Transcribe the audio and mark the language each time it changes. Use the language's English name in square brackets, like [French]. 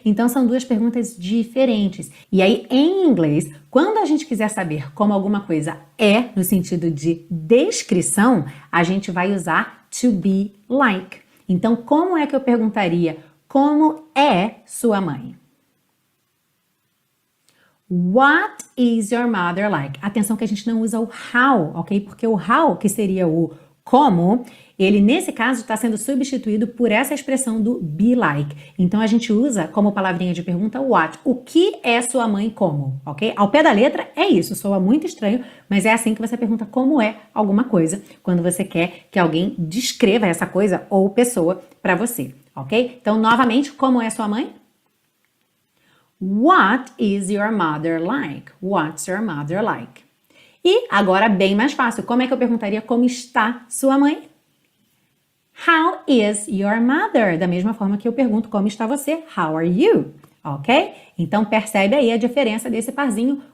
[Portuguese] Então são duas perguntas diferentes. E aí, em inglês, quando a gente quiser saber como alguma coisa é, no sentido de descrição, a gente vai usar [English] to be like. [Portuguese] Então, como é que eu perguntaria como é sua mãe? [English] What is your mother like? [Portuguese] Atenção que a gente não usa o how, ok? Porque o how, que seria o como, ele nesse caso está sendo substituído por essa expressão do be like. Então a gente usa como palavrinha de pergunta what. O que é sua mãe como, ok? Ao pé da letra é isso, soa muito estranho, mas é assim que você pergunta como é alguma coisa quando você quer que alguém descreva essa coisa ou pessoa para você, ok? Então novamente, como é sua mãe? [English] What is your mother like? What's your mother like? [Portuguese] E agora, bem mais fácil, como é que eu perguntaria como está sua mãe? [English] How is your mother? [Portuguese] Da mesma forma que eu pergunto como está você, [English] how are you? [Portuguese] Ok? Então, percebe aí a diferença desse parzinho.